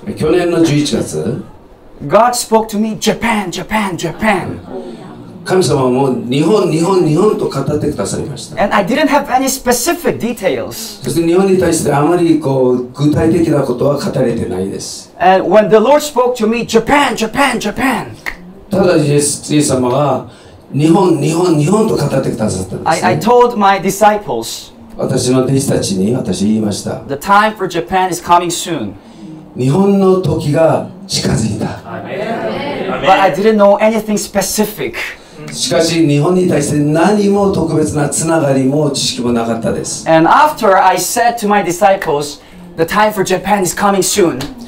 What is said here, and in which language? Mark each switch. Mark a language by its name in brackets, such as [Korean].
[Japanese] 去年の11月, [English] God spoke to me, Japan, Japan, Japan. [Japanese] 神様も日本日本日本と語ってくださいました。 [English] And I didn't have any specific details. [Japanese] そして日本に対してあまりこう具体的なことは語れてないです。 [English] And when the Lord spoke to me, Japan, Japan, Japan. [Japanese] ただイエス様は日本日本日本と語ってくださったんです。 [English] I told my disciples. [Japanese] 私の弟子たちに私言いました。 [English] The time for Japan is coming soon. [Japanese] 日本の時が近づいた。 [English] But I didn't know anything specific. [Japanese] しかし日本に対して何も特別なつながりも知識もなかったです。 [English] And after I said to my disciples, the time for Japan is coming soon.